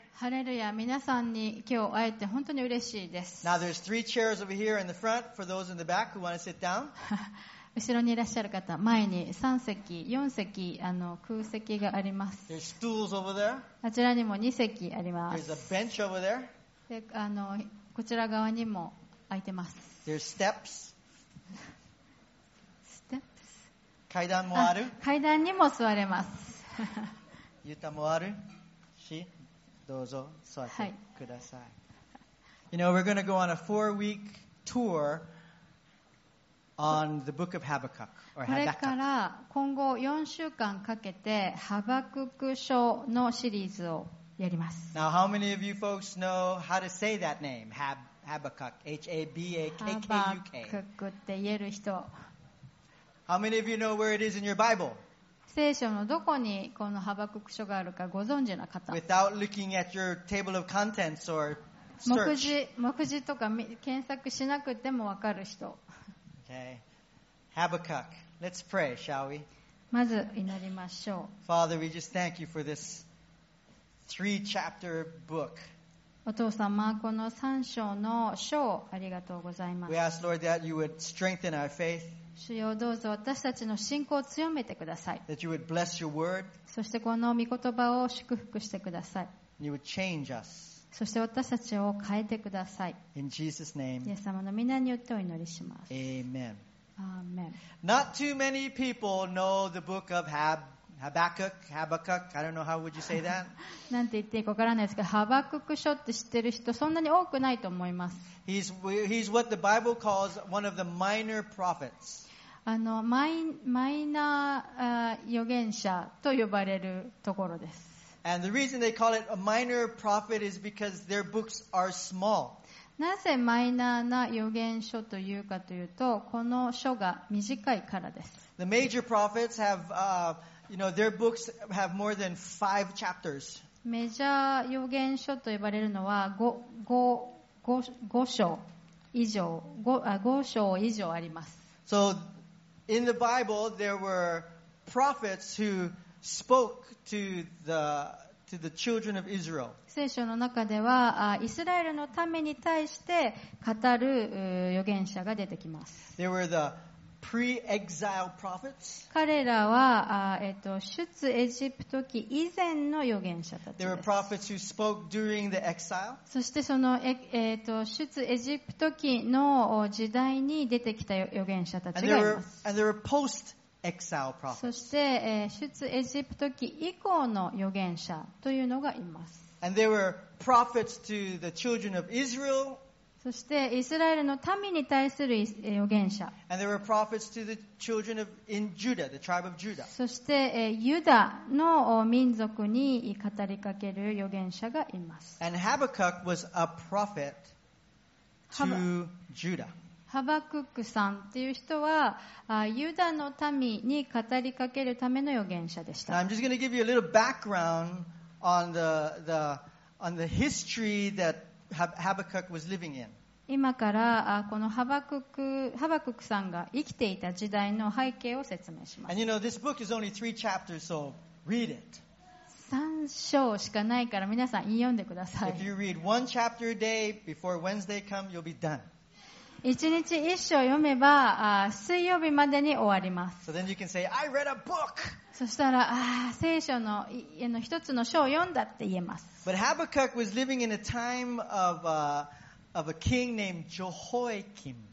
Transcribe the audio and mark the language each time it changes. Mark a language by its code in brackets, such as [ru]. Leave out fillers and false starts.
[ja] ハレルヤ、皆さんに今日会えて本当に嬉しいです。 [en] Now there's three chairs over here in the front for those in the back who want to sit down. [ja] 後ろにいらっしゃる方、前に3席、4席、空席があります。 [en] There's stools over there. [ja] あちらにも2席あります。 [en] There's a bench over there. [ja] で、こちら側にも空いてます。 [en] There's steps. Steps. [ja] 階段もある。あ、階段にも座れます。ユタもあるし、どうぞ座ってください。 [en] はい、you know, we're going to go on a four-week tour on the book of Habakkuk. [ja] これから今後4週間かけて、ハバクク書のシリーズをやります。 [en] Now, how many of you folks know how to say that name? Habakkuk. H-A-B-A-K-K-U-K. [ja] ハバククって言える人。 [en] How many of you know where it is in your Bible? [ja] 聖書のどこにこのハバクク書があるかご存知な方。 [en] Without looking at your table of contents or search. [ja] 目次とか検索しなくてもわかる人。 [en] Okay. Habakkuk. Let's pray, shall we? [ja] まず祈りましょう。 [en] Father, we just thank you for this three chapter book. [ja] お父様、この三章の章、ありがとうございます。 [en] We ask, Lord, that you would strengthen our faith. [ja] 主よ、どうぞ私たちの信仰を強めてください。 [en] That you would bless your word. [ja] そしてこの御言葉を祝福してください。 [en] You would change us. [ja] そして私たちを変えてください。 [en] In Jesus' name. [ja] イエス様の名によってお祈りします。 [en] Amen. Amen. Not too many people know the book of Habakkuk, I don't know how would you say that. [ja] なんて言っていいかわからないですけど、ハバクク書って知ってる人そんなに多くないと思います。 [en] He's what the Bible calls one of the minor prophets. [ja] マイナー預言者と呼ばれるところです。 [en] And the reason they call it a minor prophet is because their books are small. [ja] なぜマイナーな預言書というかというと、この書が短いからです。 [en] The major prophets have, you know, their books have more than five chapters. [ja] メジャー預言書と呼ばれるのは5章以上あります。 [en] So, in the Bible, there were prophets who spoke to the children of Israel. [ja] 聖書の中ではイスラエルのために対して語る預言者が出てきます。 [en] They were the pre-exile prophets. [ja] 彼らは出エジプト期以前の預言者たちです。 [en] They were prophets who spoke during the exile. [ja] そしてその出エジプト期の時代に出てきた預言者たちがいます。 [en] And they were post-Exile prophets. [ja] そして、出エジプト期以降の預言者というのがいます。 [en] And they were prophets to the children of Israel. [ja] そして、イスラエルの民に対する預言者。 [en] And they were prophets to the children of in Judah, the tribe of Judah. [ja] そして、ユダの民族に語りかける預言者がいます。 [en] And Habakkuk was a prophet to Judah. [ja] ハバクックさんっていう人はユダの民に語りかけるための預言者でした。 [en] I'm just going to give you a little background on the history that Habakkuk was living in. [ja] 今からこのハバクックさんが生きていた時代の背景を説明します。 [en] And you know, this book is only three chapters, so read it. [ja] 3章しかないから皆さん引用でください。 [en] If you read one chapter a day before Wednesday come, you'll be done. [ja] 一日一章読めば水曜日までに終わります。 [en] So then you can say, I read a book. [ja] そしたら聖書の一つの章を読んだって言えます。 [en] But Habakkuk was living in a time of a king named Jehoiakim.